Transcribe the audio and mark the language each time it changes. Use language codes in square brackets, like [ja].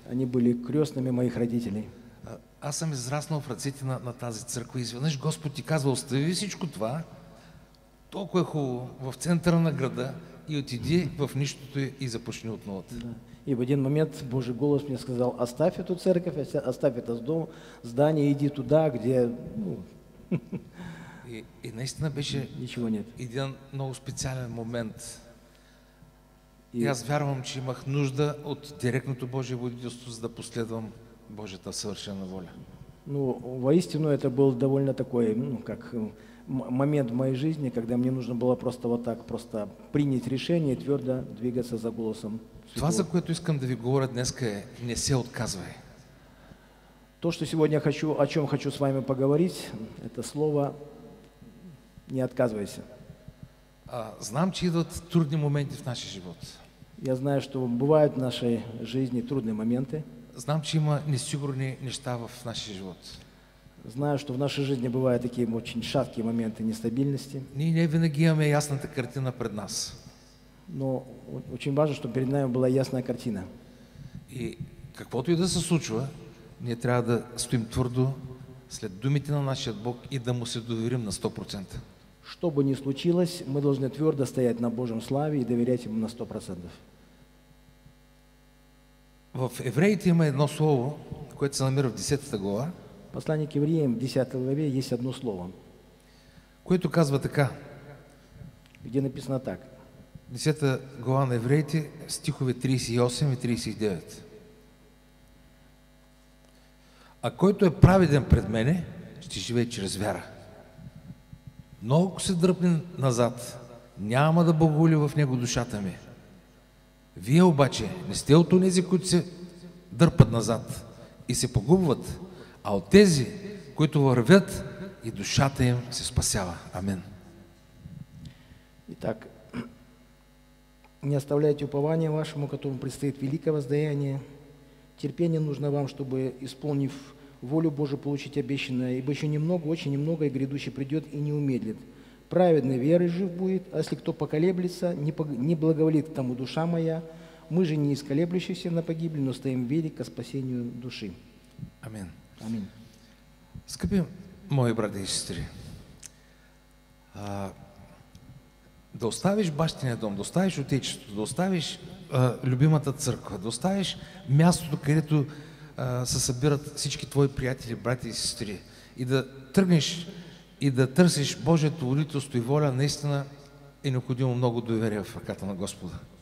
[ru] Они были крестными моих родителей. [bg] Аз съм израснал в ръцете на тази църква и изведнъж Господ ти казва: остави всичко това, толкова е хубаво, в центъра на града и отиди в нищото и започни от нулата. Да. [ru] И в един момент Божий голос мне сказал: оставь эту церковь, оставь это дом, здание, иди туда, где... [bg] И наистина беше един много специален момент. И аз вярвам, че имах нужда от директното Божие водителство, за да последвам Божията съвършена воля. [ru] Ну, воистину, это был довольно такой, как момент в моей жизни, когда мне нужно было просто вот так, просто принять решение, твердо двигаться за голосом. [bg] Това, за което искам да ви говоря днеска, е: не се отказвай. [ru] То, что сегодня хочу, о чем хочу с вами поговорить, это слово «не отказывайся». [bg] Знам, че идват трудни моменти в нашия живот. [ru] Я знаю, что бывают в нашей жизни трудные моменты. [bg] Знам, че има несигурни неща в нашия живот. [ru] Знаю, что в нашей жизни бывают такие очень шаткие моменты нестабильности. [bg] Ние не винаги имаме ясната картина пред нас. [ru] Но очень важно, чтобы перед нами была ясная картина. [bg] И каквото и да се случва, ние трябва да стоим твърдо след думите на нашия Бог и да му се доверим на 100%. [ru] Что бы ни случилось, мы должны твердо стоять на Божьем славе и доверять Ему на 100%. [bg] В Евреите има едно слово, което се намира в 10 глава. [ru] Послание к Евреям, 10 главе, есть одно слово. [bg] Което казва така. [ru] Где написано так. [bg] 10 глава на Евреите, стихове 38 и 39. А който е праведен пред мене, ще живее чрез вяра. Но ако се дръпне назад, няма да благоволи в него душата ми. Вие обаче не сте от тези, които се дърпат назад и се погубват, а от тези, които вървят и душата им се спасява. Амин. [ru] Итак, не оставляйте упование вашему, которому предстоит великое воздаяние. Терпение нужно вам, чтобы, исполнив волю Божию, получить обещанное, ибо еще немного, очень немного, и грядущий придет и не умедлит. Праведной верой жив будет, а если кто поколеблется, не благоволит к тому душа моя. Мы же не исколеблющиеся на погибель, но стоим вели ко спасению души. Амин. Амин. [bg] Скъпи мои братья и сестры, да оставиш бащиния дом, да оставиш отечеството, да оставиш любимата църква, да оставиш мястото, където се събират всички твои приятели, брати и сестри, и да тръгнеш и да търсиш Божието водителство и воля, наистина е необходимо много доверие в ръката на Господа.